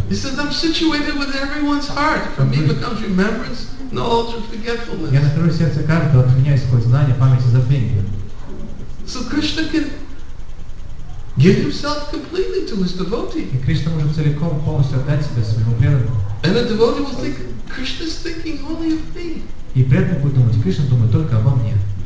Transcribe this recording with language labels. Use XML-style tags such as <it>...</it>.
<en>He says, I'm situated with everyone's heart. From me becomes remembrance, knowledge, and forgetfulness.</en> <ru>Я нахожусь в сердце каждого, от меня исходит знание, память и забвение.</ru> <en>So Krishna can give himself completely to his devotee.</en> <ru>И Кришна может целиком полностью отдать себя своему преданному.</ru> <en>And the devotee will think Krishna's thinking only of me.</en> <ru>И преданный будет думать, Кришна думает только обо мне.</ru>